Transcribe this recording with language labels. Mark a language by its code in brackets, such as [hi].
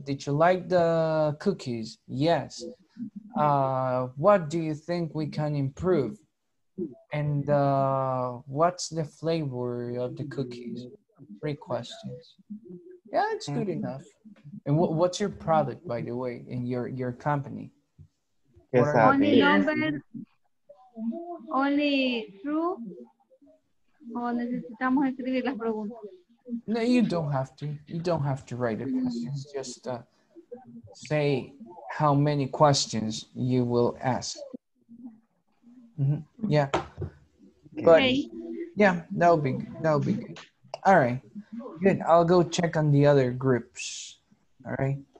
[en] Did you like the cookies? Yes. What do you think we can improve? And what's the flavor of the cookies? Three questions. Yeah, it's good enough. And what's your product, by the way, in your company? Yes, only number, only true, [es] o necesitamos escribir las preguntas. [en] No, you don't have to. You don't have to write the questions. Just say how many questions you will ask. Mm-hmm. Yeah, but okay. Yeah, that'll be good. All right, good. I'll go check on the other groups. All right.